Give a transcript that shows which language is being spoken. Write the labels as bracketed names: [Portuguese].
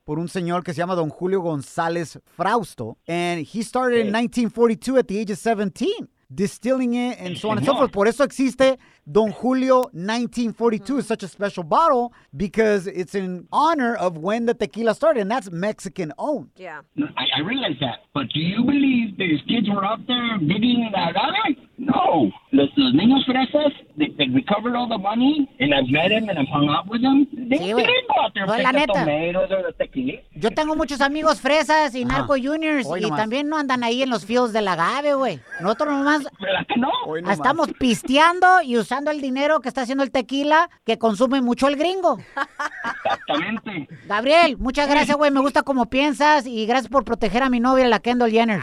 [Spanish] por un señor que se llama Don Julio González Frausto. [English] And he started in 1942 at the age of 17, distilling it and so on and so forth. [Spanish] Por eso existe Don Julio 1942, mm-hmm. [English] such a special bottle, because it's in honor of when the tequila started, and that's Mexican-owned. Yeah. I realize that, but do you believe these kids were out there digging the agave? No. [Spanish] Los niños fresas, [English] they recovered all the money, and I've met them, and I've hung out with them. They didn't go out there and pick the tomatoes or the tequila. [Spanish] Yo tengo muchos amigos fresas y narco juniors, y también no andan ahí en los fields del agave, güey. Nosotros nomás... ¿Verdad que no? Nomás. Estamos pisteando y usando el dinero que está haciendo el tequila que consume mucho el gringo. Exactamente. Gabriel, muchas gracias, güey. Me gusta cómo piensas y gracias por proteger a mi novia, la Kendall Jenner.